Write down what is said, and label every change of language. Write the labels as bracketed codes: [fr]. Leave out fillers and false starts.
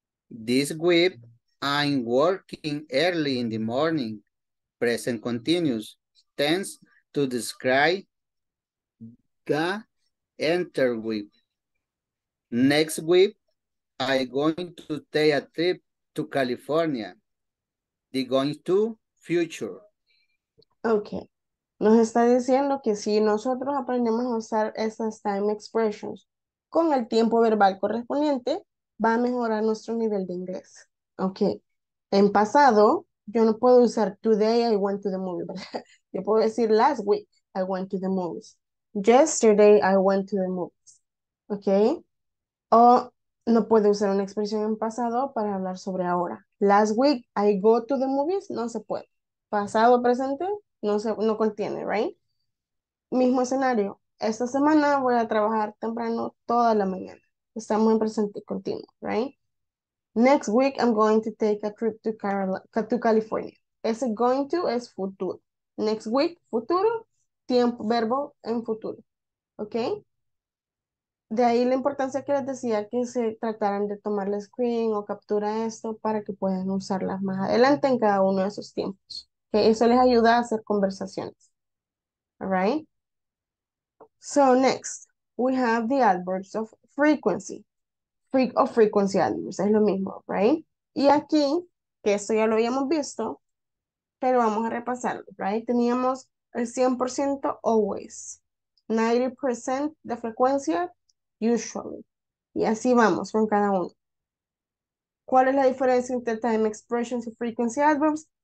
[en] This week, I'm working early in the morning. Present continuous. Tense to describe the interweave. Next week, I'm going to take a trip to California. The going to future. Okay. [es] Nos está diciendo que si nosotros aprendemos a usar esas time expressions con el tiempo verbal correspondiente, va a mejorar nuestro nivel de inglés. Ok. En pasado, yo no puedo usar [en] today I went to the movie, [es] ¿verdad? Yo puedo decir [en] last week I went to the movies. Yesterday I went to the movies. Ok. [es] O no puedo usar una expresión en pasado para hablar sobre ahora. [en] Last week I go to the movies, [es] no se puede. Pasado, presente, no contiene, right? Mismo escenario. Esta semana voy a trabajar temprano toda la mañana. Estamos en presente continuo, right? [en] Next week I'm going to take a trip to California. [es] Ese going to es futuro. Next week, futuro, tiempo, verbo en futuro. ¿Ok? De ahí la importancia que les decía que se trataran de tomar la screen o captura esto para que puedan usarlas más adelante en cada uno de sus tiempos. Que eso les ayuda a hacer conversaciones. All right? [en] So next, we have the adverbs of frequency. [es] Frequency adverbs, es lo mismo, right? Y aquí, que esto ya lo habíamos visto, pero vamos a repasarlo, right? Teníamos el 100% always, 90% de frecuencia, usually. Y así vamos con cada uno. ¿Cuál es la diferencia entre time expressions y frequency adverbs?